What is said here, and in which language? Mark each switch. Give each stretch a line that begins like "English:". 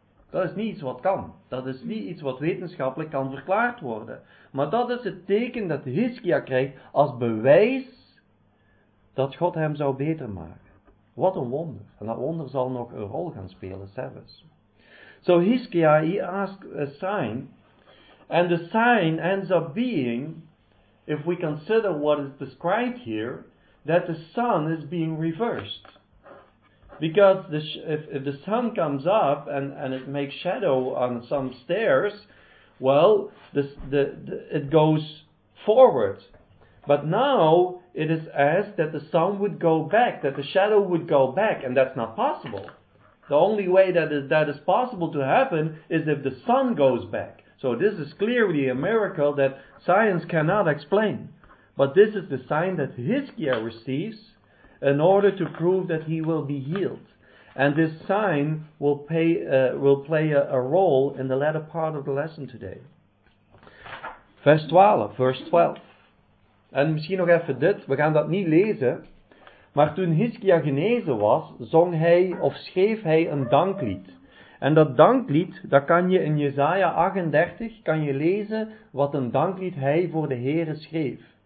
Dutch: Dat is niet iets wat kan. Dat is niet iets wat wetenschappelijk kan verklaard worden. Maar dat is het teken dat Hizkia krijgt als bewijs dat God hem zou beter maken. Wat een wonder. En dat wonder zal nog een rol gaan spelen, zelfs.
English: So Hizkia, he asked a sign. And the sign ends up being, if we consider what is described here, that the sun is being reversed. Because if the sun comes up and it makes shadow on some stairs, well, the it goes forward. But now it is asked that the sun would go back, that the shadow would go back, and that's not possible. The only way that is possible to happen is if the sun goes back. So this is clearly a miracle that science cannot explain. But this is the sign that Hizkia receives in order to prove that he will be healed. And this sign will play a role in the latter part of the lesson today. Verse 12.
Dutch: En misschien nog even dit, we gaan dat niet lezen. Maar toen Hizkia genezen was, zong hij of schreef hij een danklied. En dat danklied, dat kan je in Jesaja 38, kan je lezen wat een danklied hij voor de Heere schreef.